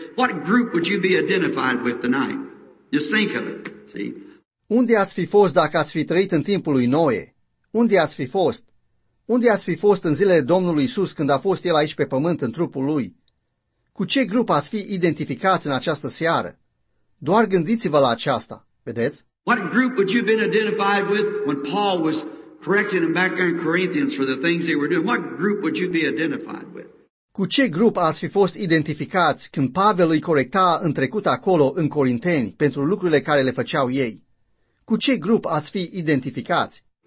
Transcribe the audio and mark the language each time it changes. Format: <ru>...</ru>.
<en>What group would you be identified with tonight? Just think of it. See?</en> <ro>Unde ați fi fost dacă ați fi trăit în timpul lui Noe? Unde ați fi fost? Unde ați fi fost în zilele Domnului Iisus când a fost el aici pe pământ în trupul lui? Cu ce grup ați fi identificați în această seară? Doar gândiți-vă la aceasta, vedeți?</ro> <en>What group would you have been identified with when Paul was correcting them back in Corinthians for the things they were doing? What group would you be identified with?</en> <ro>Cu ce grup ați fi fost identificați când Pavel îi corecta în trecut acolo în Corinteni pentru lucrurile care le făceau ei? Cu ce grup ați fi identificați?</ro>